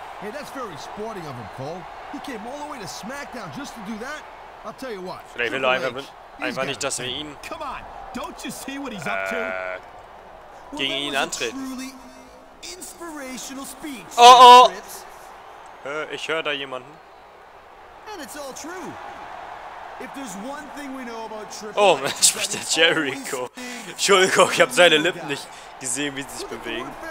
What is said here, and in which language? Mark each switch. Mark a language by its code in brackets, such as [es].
[en] Hey, that's very sporting of him, Cole. He came all the way to SmackDown just to do that. I'll tell you what. [de] Vielleicht will er einfach nicht, dass wir ihn. [en] Come on, don't you see what he's up to? [de] Gegen ihn antreten. [en] Truly inspirational speech. [de] Oh oh. Ich höre da jemanden. [en] And it's all true. If there's one thing we know about Triple [de] H, oh, man, spricht der Jericho. Entschuldigung, ich habe seine Lippen nicht gesehen, wie sie sich bewegen.